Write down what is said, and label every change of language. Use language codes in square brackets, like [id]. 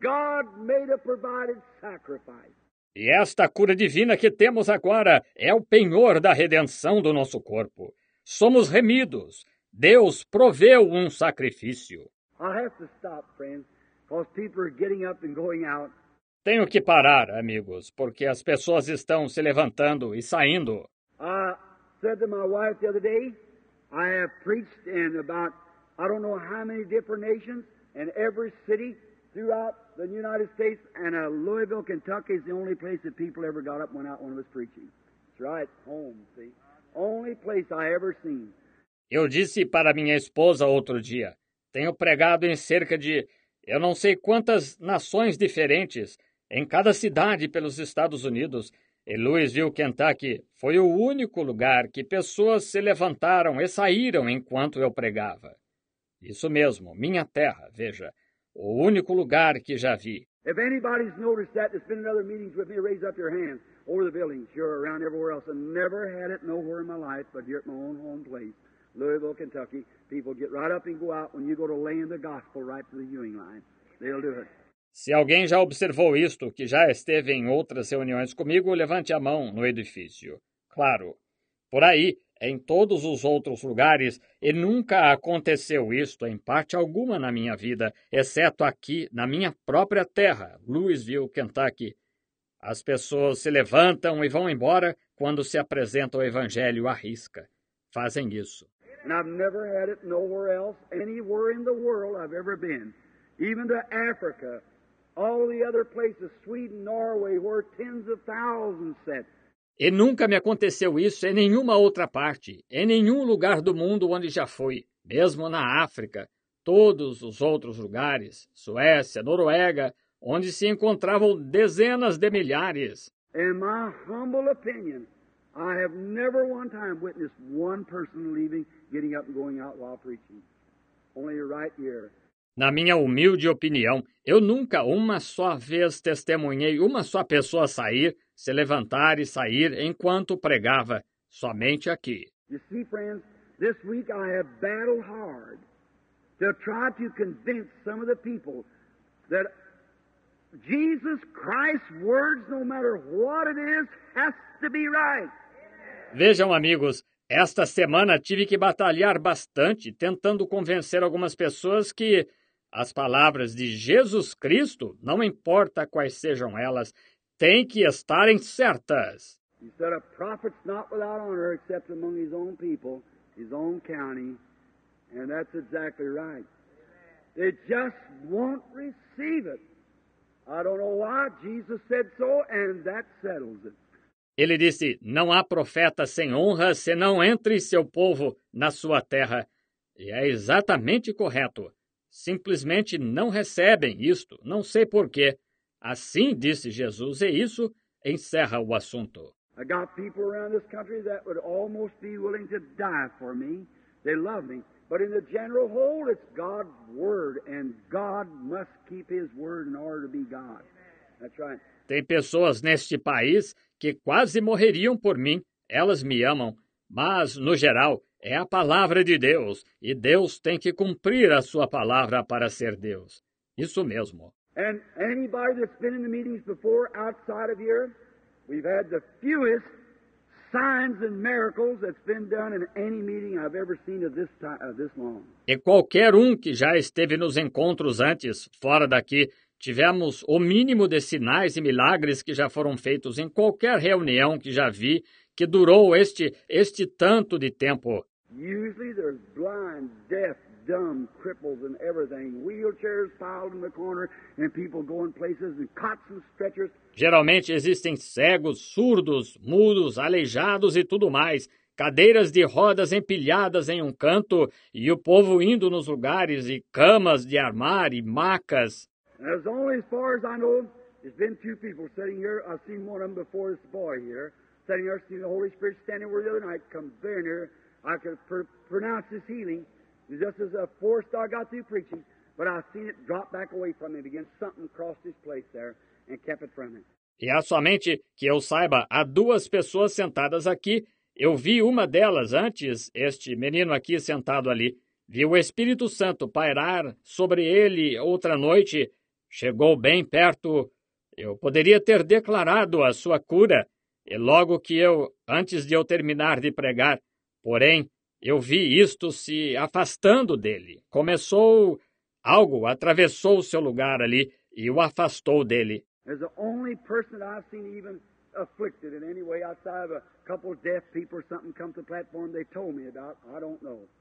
[en] God made a provided sacrifice. [pt] E esta cura divina que temos agora é o penhor da redenção do nosso corpo. Somos remidos. Deus proveu um sacrifício. [en] I have to stop, friends, because people are getting up and going out. [pt] Tenho que parar, amigos, porque as pessoas estão se levantando e saindo. [en] Said to my wife the other day, I have preached in about I don't know how many different nations, and every city throughout the United States, and Louisville, Kentucky is the only place that people ever got up and went out when I was preaching. That's right, home, see? Only place I ever seen. [pt] Eu disse para minha esposa outro dia, tenho pregado em cerca de eu não sei quantas nações diferentes, em cada cidade pelos Estados Unidos. E Louisville, Kentucky, foi o único lugar que pessoas se levantaram e saíram enquanto eu pregava. Isso mesmo, minha terra, veja, o único lugar que já vi. [en] If anybody's noticed that, there's been in other meetings with me, raise up your hand. Over the building, sure, around everywhere else. I've never had it nowhere in my life, but here at my own home place, Louisville, Kentucky, people get right up and go out when you go to lay in the gospel right to the Ewing line. They'll do it. [pt] Se alguém já observou isto, que já esteve em outras reuniões comigo, levante a mão no edifício. Claro, por aí em todos os outros lugares, e nunca aconteceu isto em parte alguma na minha vida, exceto aqui na minha própria terra, Louisville, Kentucky. As pessoas se levantam e vão embora quando se apresenta o Evangelho à risca. Fazem isso. [en] And I've never had it nowhere else, anywhere in the world I've ever been. Even to Africa, all the other places, Sweden, Norway, where tens of thousands sat. [pt] E nunca me aconteceu isso em nenhuma outra parte, em nenhum lugar do mundo onde já fui, mesmo na África, todos os outros lugares, Suécia, Noruega, onde se encontravam dezenas de milhares. [en] In my humble opinion, I have never one time witnessed one person leaving, getting up and going out while preaching. Only right here. [pt] Na minha humilde opinião, eu nunca uma só vez testemunhei uma só pessoa sair, se levantar e sair enquanto pregava, somente aqui. [en] You see, friends, this week I have battled hard to try to convince some of the people that Jesus Christ's words, no matter what it is, has to be right. [pt] Vejam, amigos, esta semana tive que batalhar bastante tentando convencer algumas pessoas que as palavras de Jesus Cristo, não importa quais sejam elas, têm que estarem certas. [en] He said a prophet's not without honor except among his own people, his own county, and that's exactly right. They just won't receive it. I don't know why Jesus said so, and that settles it. [pt] Ele disse, não há profeta sem honra senão entre seu povo na sua terra. E é exatamente correto. Simplesmente não recebem isto, não sei porquê. Assim disse Jesus, e isso encerra o assunto. [en] I got people around this country that would almost be willing to die for me. They love me. But in the general whole, it's God's word, and God must keep his word in order to be God. That's right. [pt] Tem pessoas neste país que quase morreriam por mim. Elas me amam. Mas, no geral, é a palavra de Deus, e Deus tem que cumprir a sua palavra para ser Deus. Isso mesmo. [en] And anybody that's been in the meetings before outside of here, we've had the fewest signs and miracles that's been done in any meeting I've ever seen of this time, of this long. [pt] E qualquer um que já esteve nos encontros antes, fora daqui, tivemos o mínimo de sinais e milagres que já foram feitos em qualquer reunião que já vi, que durou este tanto de tempo. [en] Usually there's blind, deaf, dumb, cripples and everything. Wheelchairs piled in the corner and people going places and cots and stretchers. [pt] Geralmente existem cegos, surdos, mudos, aleijados e tudo mais. Cadeiras de rodas empilhadas em um canto e o povo indo nos lugares e camas de armar e macas. [en] As only as far as I know, there's been two people sitting here. I've seen one of them before, this boy here. Sitting here, seeing the Holy Spirit standing where the other night come very near. I could pronounce his healing. Just as a force I got through preaching, but I seen it drop back away from him again. Something crossed his place there and kept it from him. [pt] E há somente que eu saiba, há duas pessoas sentadas aqui. Eu vi uma delas antes, este menino aqui sentado ali. Vi o Espírito Santo pairar sobre ele outra noite. Chegou bem perto. Eu poderia ter declarado a sua cura. E logo que eu, antes de eu terminar de pregar, porém, eu vi isto se afastando dele. Começou algo, atravessou o seu lugar ali e o afastou dele. [en] As the only person I've seen even afflicted in any way outside of a couple of deaf people or something come to the platform they told me about, I don't know.